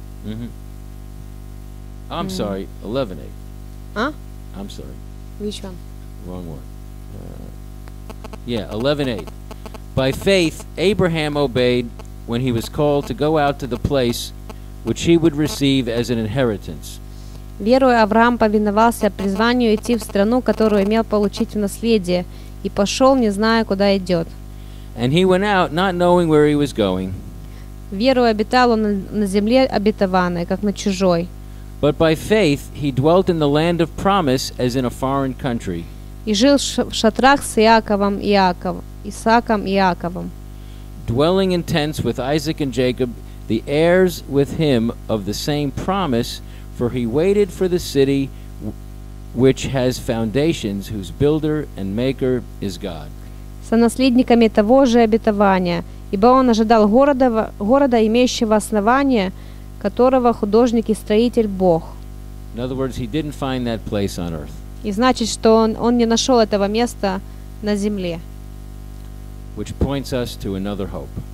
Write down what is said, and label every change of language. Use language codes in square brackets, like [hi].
[en] Mm-hmm. I'm sorry, 11:8. Huh? I'm sorry. Which one? Wrong one. 11:8. By faith, Abraham obeyed when he was called to go out to the place which he would receive as an inheritance. [ru] Верою Авраам повиновался призванию идти в страну, которую имел получить в наследие, и пошел, не зная, куда идет. [en] And he went out, not knowing where he was going. [ru] Верою обитал он на земле обетованной, как на чужой. [en] But by faith he dwelt in the land of promise as in a foreign country. [ru] И жил в шатрах с Исааком и Иаковом. [en] Dwelling in tents with Isaac and Jacob, the heirs with him of the same promise, for he waited for the city which has foundations, whose builder and maker is God. [ru] Со наследниками того же обетования, ибо он ожидал города имеющего основание, которого художник и строитель Бог. [en] In other words, he didn't find that place on earth. [ru] И значит, что он не нашел этого места на земле. [en] Which points us to another hope.